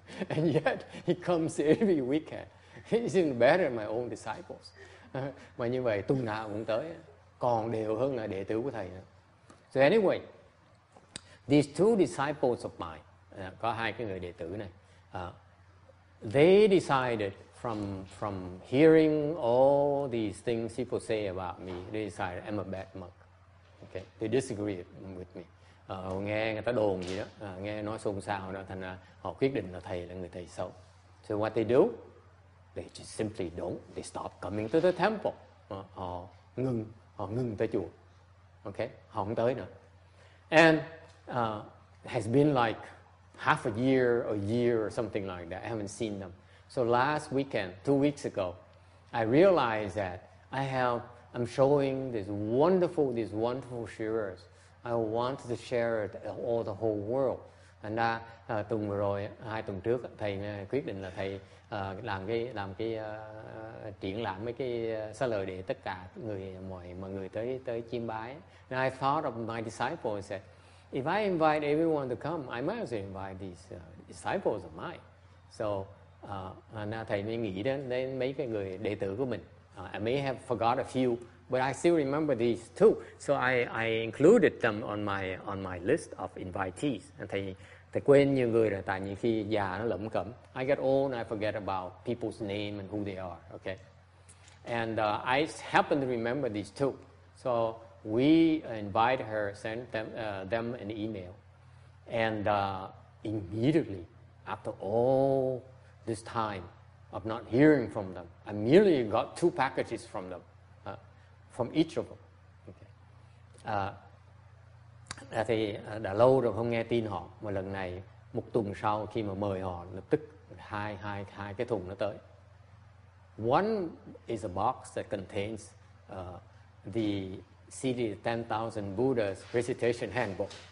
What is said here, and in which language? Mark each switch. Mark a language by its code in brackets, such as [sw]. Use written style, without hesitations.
[en] And yet, he comes every weekend. He's even better than my own disciples. [vi] Mà như vậy, tuần nào cũng tới. Còn đều hơn là đệ tử của thầy. [en] So anyway, these two disciples of mine, [vi] có hai cái người đệ tử này. [en] They decided from hearing all these things people say about me, they decided I'm a bad monk. Okay, they disagree with me. [vi] Nghe người ta đồn gì đó, nghe nói xôn xao đó, thành ra họ quyết định là thầy là người thầy xấu. [en] So what they do? They just simply don't. They stop coming to the temple. [vi] Họ ngừng tới chùa. Okay, họ không tới nữa. [en] And has been like half a year or something like that. I haven't seen them. So last weekend, 2 weeks ago, I realized that I'm showing these wonderful sharers. I want to share it all the whole world. [vi] Thành ra tuần vừa rồi, hai tuần trước thầy quyết định là thầy làm cái triển lãm mấy cái xá lợi để tất cả người mọi người tới chiêm bái. [en] And I thought of my disciples said, if I invite everyone to come, I might also invite these disciples of mine. [vi] So thầy mới nghĩ đến mấy cái người đệ tử của mình. [en] I may have forgot a few, but I still remember these two. So I included them on my list of invitees. [vi] And thầy quên nhiều người rồi, tại nhiều khi già nó lẩm cẩm. [en] I get old and I forget about people's name and who they are. Okay. And I happen to remember these two. So we invite her, send them an email. And immediately, after all this time of not hearing from them, I merely got two packages from them, from each of them. Okay. [vi] Thì đã lâu rồi không nghe tin họ, mà lần này một tuần sau khi mà mời họ, lập tức hai cái thùng nó tới. [en] One is a box that contains the CD 10,000 Buddha's recitation handbook.